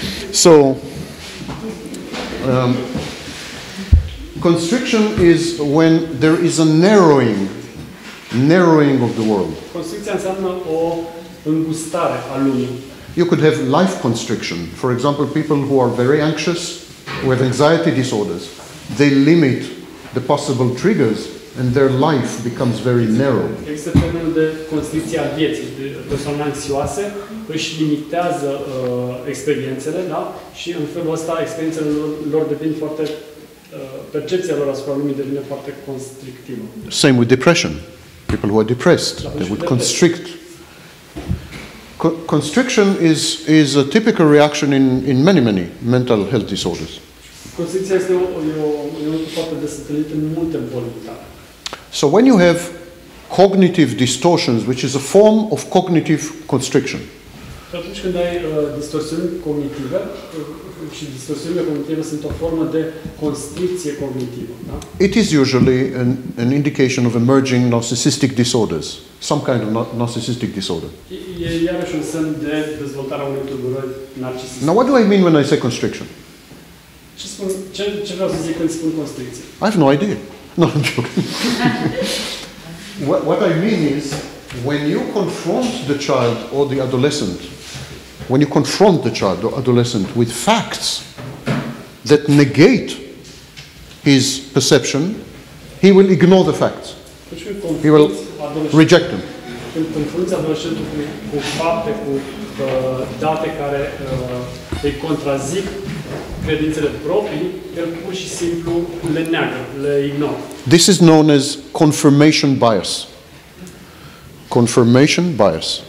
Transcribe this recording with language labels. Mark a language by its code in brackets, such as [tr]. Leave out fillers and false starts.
[en] So, constriction is when there is a narrowing of the world. [ro] Constricția înseamnă o îngustare a lumii. [en] You could have life constriction. For example, people who are very anxious, who have anxiety disorders, they limit the possible triggers and their life becomes very narrow. [ro] Există fenomenul de constricție a vieții, de persoane anxioase își limitează experiențele, da? Și în felul ăsta experiențele lor devin foarte percepția lor asupra lumii devine foarte constrictivă. [en] Same with depression. People who are depressed, they would constrict. Constriction is a typical reaction in many, many mental health disorders. [ro] Constricția este o lucru foarte des întâlnit în multe boli. [en] So when you have cognitive distortions, which is a form of cognitive constriction. [ro] Atunci când ai distorsiuni cognitive, și distorsiunile cognitive sunt o formă de constricție cognitivă, da? [en] It is usually an indication of emerging narcissistic disorders, some kind of narcissistic disorder. [ro] E iarăși un semn de dezvoltarea unei tulburări narcisiste. [en] Now what do I mean when I say constriction? [ro] Ce vreau să zic când spun constricție? [en] I have no idea. No, I'm joking. What I mean is, when you confront the child or the adolescent, when you confront the child or adolescent with facts that negate his perception, he will ignore the facts. He will reject them. [ro] Când confrunți adolescentul cu fapte, cu date care îi contrazic credințele proprii, el pur și simplu le neagă, le ignoră. [en] This is known as confirmation bias. Confirmation bias.